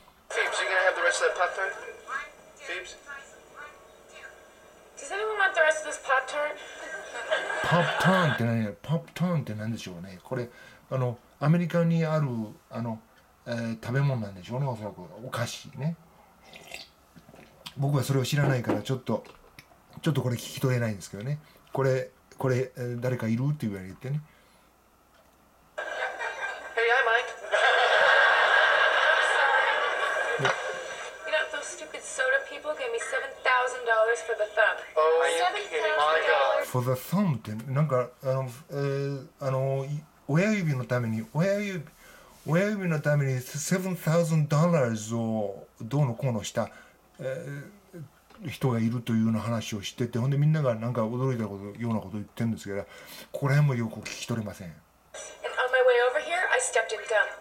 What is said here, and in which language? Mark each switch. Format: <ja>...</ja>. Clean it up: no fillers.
<ja>パップターンって何や、パップターンって何でしょうね。これあのアメリカにあるあの、食べ物なんでしょうね、おそらくお菓子ね。僕はそれを知らないからちょっとこれ聞き取れないんですけどね。これ誰かいるって言われてね。</ja> <en>Hey, I'm Mike. You know those stupid soda people gave me $7,000 for the thumb. Oh, $7,000 for the thumb</en> <ja>ってなんかあの親指のために、親指のために $7,000 をどうのこうのした。人がいるというような話を知ってて、ほんでみんながなんか驚いたことようなことを言ってるんですけど、ここら辺もよく聞き取れません。</ja> <en>And on my way over here, I stepped in gum.</en>